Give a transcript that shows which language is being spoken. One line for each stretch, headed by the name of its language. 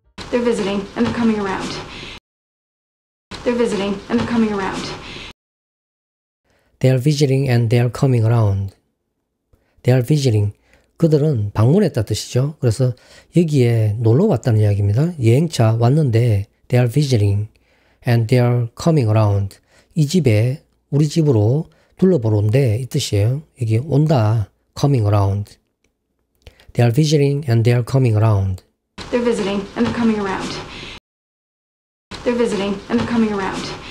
English: They're visiting and they're coming around. They're visiting and they're coming around. They're visiting and they're coming around. They're visiting.
Korean: 그들은 방문했다 뜻이죠. 그래서 여기에 놀러 왔다는 이야기입니다. 여행차 왔는데
English: they're visiting and they're coming around.
Korean: 이 집에 우리 집으로 둘러보러 온대 이 뜻이에요. 여기 온다.
English: Coming around. They're visiting and they're coming around. They're visiting and they're coming around. They're visiting and they're coming around.